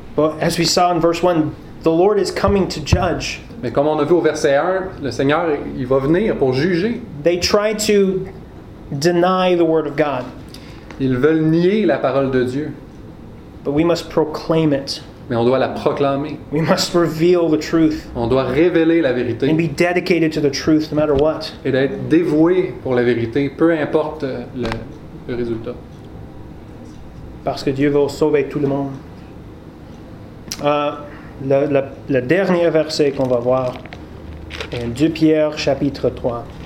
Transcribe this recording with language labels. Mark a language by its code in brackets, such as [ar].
[en] But as we saw in verse 1, the Lord is coming to judge. [fr] Mais comme on a vu au verset 1, le Seigneur, il va venir pour juger. [en] They try to deny the word of God. [fr] Ils veulent nier la parole de Dieu. [en] But we must proclaim it. [fr] Mais on doit la proclamer. [en] We must reveal the truth. [fr] On doit révéler la vérité. [en] And be dedicated to the truth, no matter what. [fr] Et d'être dévoué pour la vérité, peu importe le résultat. Parce que Dieu veut sauver tout le monde. Le dernier verset qu'on va voir est 2 Pierre chapitre 3.